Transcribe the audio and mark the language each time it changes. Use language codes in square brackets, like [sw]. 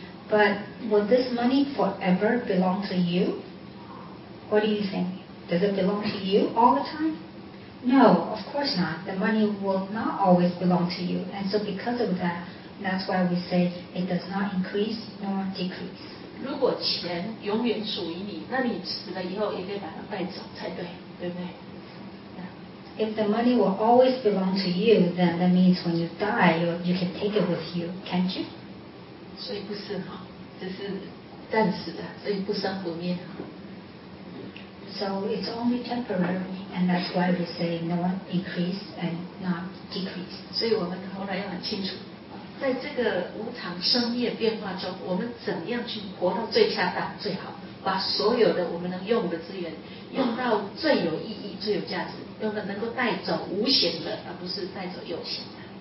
[en] But will this money forever belong to you? What do you think? Does it belong to you all the time? No, of course not. The money will not always belong to you. And so because of that, that's why we say it does not increase nor decrease. [zh] 如果钱永远属于你那你死了以后也可以把它带走才对对不对、 yeah. [en] If the money will always belong to you, then that means when you die, you can take it with you, can't you? [zh] 所以不是哈这是暂时的所以不生不灭。 [en] So it's only temporary, and that's why we say no increase and not decrease. [zh] 所以我们后来要很清楚，在这个无常生灭变化中，我们怎么样去活到最恰当、最好，把所有的我们能用的资源用到最有意义、最有价值，用的能够带走无形的，而不是带走有形的。